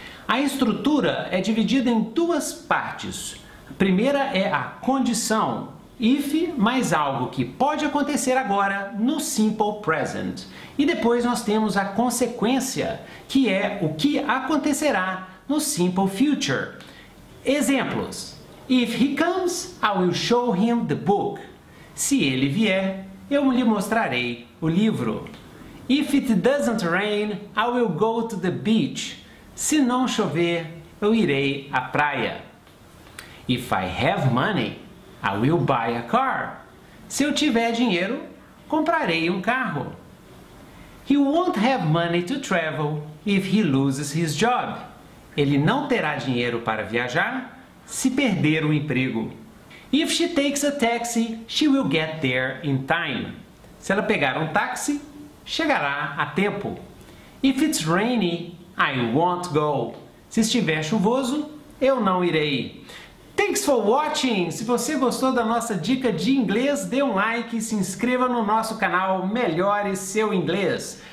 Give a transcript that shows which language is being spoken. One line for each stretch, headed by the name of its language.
Portuguese: A estrutura é dividida em duas partes. A primeira é a condição, if mais algo que pode acontecer agora no simple present. E depois nós temos a consequência, que é o que acontecerá no simple future. Exemplos:
English: if he comes, I will show him the book.
Portuguese: Se ele vier, eu lhe mostrarei o livro.
English: If it doesn't rain, I will go to the beach.
Portuguese: Se não chover, eu irei à praia.
English: If I have money, I will buy a car.
Portuguese: Se eu tiver dinheiro, comprarei um carro.
English: He won't have money to travel if he loses his job.
Portuguese: Ele não terá dinheiro para viajar se perder o emprego.
English: If she takes a taxi, she will get there in time.
Portuguese: Se ela pegar um táxi, chegará a tempo.
English: If it's rainy, I won't go.
Portuguese: Se estiver chuvoso, eu não irei.
English: Thanks for watching!
Portuguese: Se você gostou da nossa dica de inglês, dê um like e se inscreva no nosso canal Melhore Seu Inglês.